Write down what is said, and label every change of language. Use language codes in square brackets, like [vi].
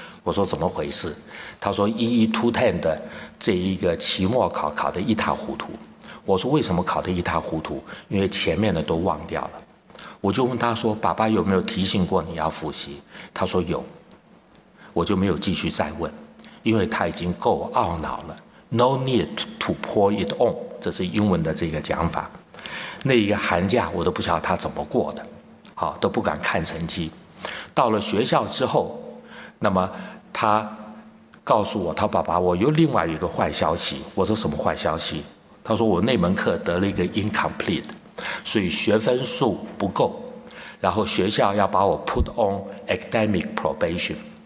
[zh] 我说怎么回事，他说 EE210 的这一个期末考考得一塌糊涂。我说为什么考得一塌糊涂，因为前面的都忘掉了。我就问他说爸爸有没有提醒过你要复习，他说有。我就没有继续再问，因为他已经够懊恼了。 [en] No need to pour it on， [zh] 这是英文的这个讲法。那一个寒假我都不知道他怎么过的，好，都不敢看成绩。到了学校之后，那么他告诉我，他爸爸我有另外一个坏消息。我说什么坏消息，他说我那门课得了一个 incomplete，所以学分数不够，然后学校要把我 [en] put on academic probation。